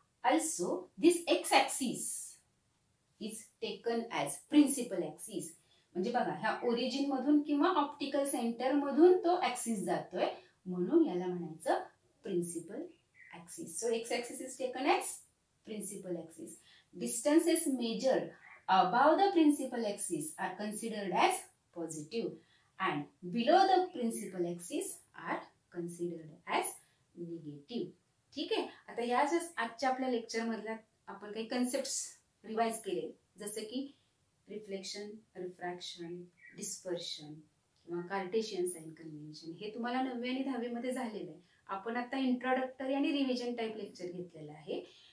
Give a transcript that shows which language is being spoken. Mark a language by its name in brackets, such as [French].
[English] Also this x axis is taken as principal axis. [Marathi] म्हणजे बघा ह्या ओरिजिन मधून किंवा ऑप्टिकल सेंटर मधून तो ऍक्सिस जातोय म्हणून याला म्हणायचं principal axis. [English] So X axis is taken as principal axis. Distances measured above the principal axis are considered as positive and below the principal axis are considered as negative. [Hindi] ठीक है. [Marathi] आता या जस आजच्या आपल्या लेक्चर मधला आपण काही कॉन्सेप्ट्स रिवाइज केले जसे की रिफ्लेक्शन रिफ्रॅक्शन डिस्पर्शन किंवा कार्टेशियन साइन कन्व्हेन्शन हे तुम्हाला 9वी आणि 10वी मध्ये झालेलं आहे. आपण आता इंट्रोडक्टरी आणि रिव्हिजन टाइप लेक्चर घेतलेलं आहे.